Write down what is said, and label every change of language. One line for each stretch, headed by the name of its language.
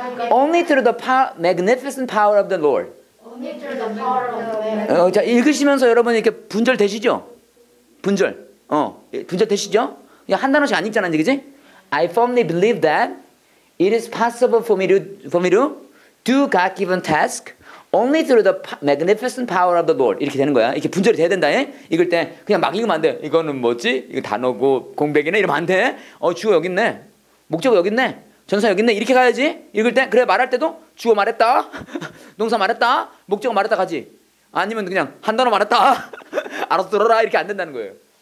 English: Only through the magnificent power of the Lord. Only through the power of the Lord.
Korean: 자 읽으시면서 여러분 이렇게 분절 되시죠? 분절. 분절 되시죠? 그냥 한 단어씩 안 읽잖아, 그치?
English: I firmly believe that it is possible for me to do God-given task only through the magnificent power of the Lord.
Korean: 이렇게 되는 거야. 이렇게 분절이 돼야 된다. 읽을 때 그냥 막 읽으면 안 돼. 이거는 뭐지? 이거 단어고 공백이네. 이러면 안 돼. 주어 여기 있네. 목적어 여기 있네. 전사 여기 있네. 이렇게 가야지. 읽을 때 그래 말할 때도 주어 말했다. 동사 말했다. 목적어 말했다 가지. 아니면 그냥 한 단어 말했다. 알아서 들어라 이렇게 안 된다는 거예요.